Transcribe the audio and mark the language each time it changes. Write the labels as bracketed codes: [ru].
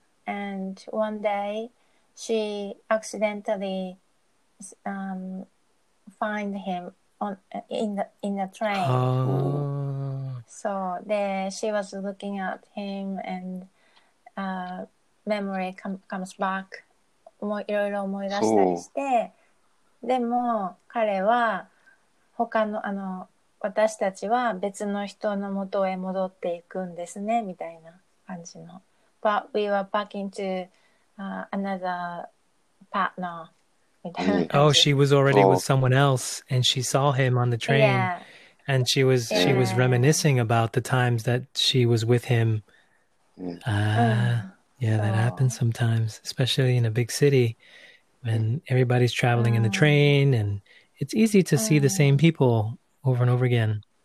[en] And one day, she accidentally find him in the train. Oh. So then she was looking at him and... memory comes back. [ja] いろいろ思い出したりして、でも彼は他の、あの、私たちは別の人の元へ戻っていくんですね、みたいな感じの。 [en] But we were back into, another partner, [ja] みたいな感じ。 [en] Oh, she was already with someone else and she saw him on the train. Yeah. And she was reminiscing about the times that she was with him. Yeah, that happens sometimes, especially in a big city when everybody's traveling in the train and it's easy to see the same people over and over again.